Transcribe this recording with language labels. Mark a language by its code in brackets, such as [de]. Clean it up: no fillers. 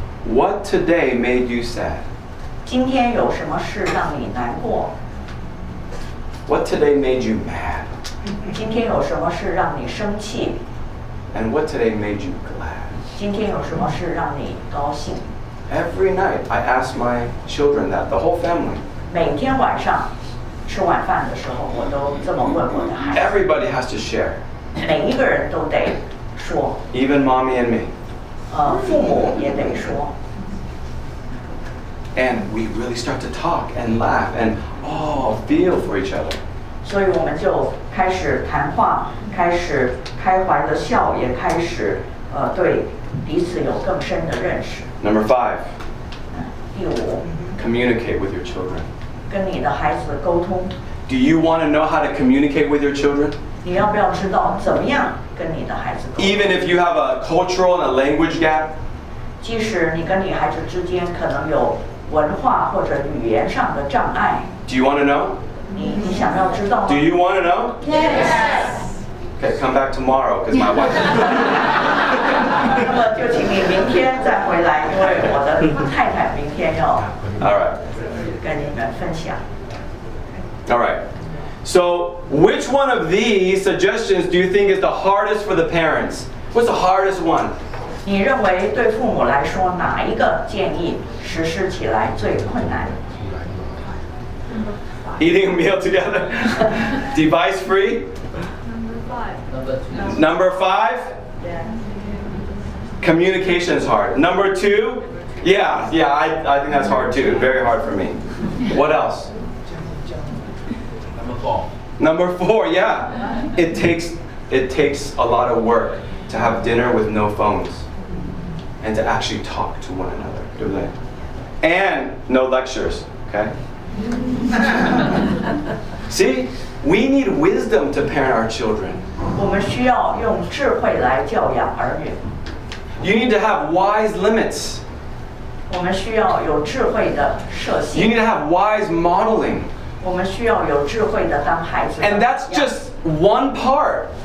[en] What today made you sad? [zh] 今天有什么事让你难过 [en] What today made you mad? [zh] 今天有什么事让你生气 [en] And what today made you glad? [zh] 今天有什么事让你高兴 [en] Every night, I ask my children that, the whole family. [zh] 每天晚上吃晚饭的时候，我都这么问我的孩子。 [en] Everybody has to share. [zh] 每一个人都得说。 [en] Even mommy and me. [zh] 父母也得说。 [en] And we really start to talk and laugh and feel for each other. [zh] 所以我们就开始谈话，开始开怀的笑，也开始对彼此有更深的认识。 [en] Number five, communicate with your children. [zh] 跟你的孩子沟通。 [en] Do you want to know how to communicate with your children? [zh] 你要不要知道怎么样跟你的孩子沟通? [en] Even if you have a cultural and a language gap? [zh] 即使你跟你孩子之间可能有文化或者语言上的障碍。 [en] Do you want to know? [zh] 你想要知道吗? [en] Do you want to know? Yes! Okay, come back tomorrow, because my wife... [zh] 就请你明天再回来，因为我的太太明天要跟你们分享。 [en] All right. So, which one of these suggestions do you think is the hardest for the parents? What's the hardest one? [zh] 你认为对父母来说哪一个建议实施起来最困难？ [en] Eating a meal together, device free. Number five. Communication is hard. Number two, I think that's hard too. Very hard for me. What else? Number four. Number four, yeah. It takes a lot of work to have dinner with no phones and to actually talk to one another, don't they? And no lectures, okay? See, we need wisdom to parent our children. [zh] 我们需要用智慧来教养儿女。 [en] You need to have wise limits. [zh] 我们需要有智慧的设限。 [en] You need to have wise modeling. [zh] 我们需要有智慧的当孩子。 [en] And that's just one part.